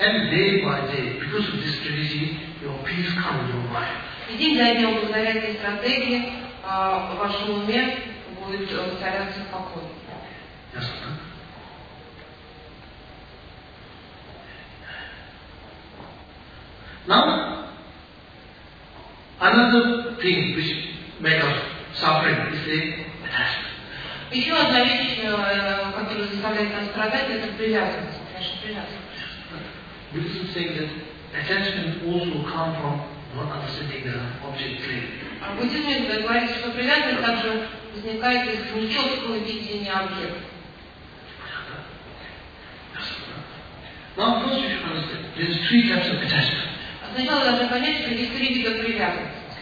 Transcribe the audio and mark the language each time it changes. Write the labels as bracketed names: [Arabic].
[English] And day by day, because of this strategy, your peace comes to your mind. [Russian] И день за днем, благодаря этой стратегии, в вашем уме будет царяться покой. Ясно, да? [English] Now, another thing which makes us suffering is the attachment. [Russian] Еще одна вещь, которая заставляет нас страдать, это привязанность. Конечно, привязанность. [English] Yes, but Buddhism says that attachment also comes from not understanding the object clearly. [Russian] А буддизм говорит, что привязанность также возникает из нечеткого видения объекта. [English] Now, first, you should understand, there's three types of attachment. [Russian] А сначала должны понять, что есть три вида привязанности.